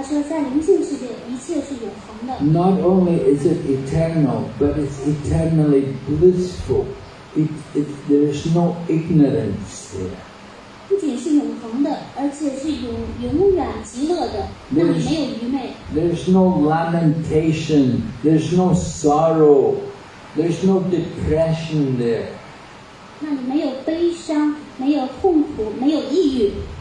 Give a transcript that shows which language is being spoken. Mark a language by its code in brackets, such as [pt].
[zh] 接着，释迦牟尼佛又描述了灵性世界。他说，在灵性世界，一切是永恒的。 [en] Not only is it eternal, but it's eternally blissful. There is no ignorance there. [zh] 不仅是永恒的，而且是永远极乐的。那里没有愚昧。 [en] There is no lamentation. There is no sorrow. There is no depression there. [zh] 那里没有悲伤，没有痛苦，没有抑郁。